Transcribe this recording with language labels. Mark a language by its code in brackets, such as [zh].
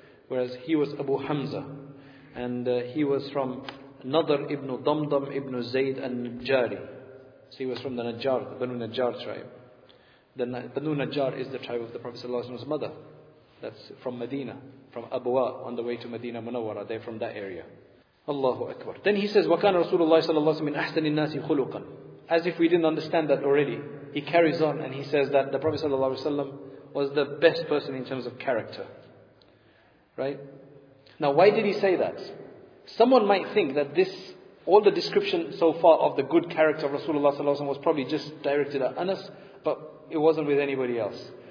[en] Whereas he was Abu Hamza. And he was from Nadr ibn Damdam ibn Zayd al-Najjari. So he was from the Najjar, the Banu Najjar tribe. The Banu Najjar is the tribe of the Prophet's mother. That's from Medina, from Abuwa, on the way to Medina Munawwara. They're from that area. Allahu Akbar. Then he says, [ar] وَكَانَ رَسُولُ اللَّهِ صَلَى اللَّهُ عَلَيْهِ وَسَلَّمَ مِنْ أَحْسَنِ النَّاسِ خُلُقًا. [en] As if we didn't understand that already, he carries on and he says that the Prophet sallallahu alaihi wasallam was the best person in terms of character. Right? Now, why did he say that? Someone might think that this, all the description so far of the good character of Rasulullah sallallahu alaihi wasallam was probably just directed at Anas, but it wasn't with anybody else.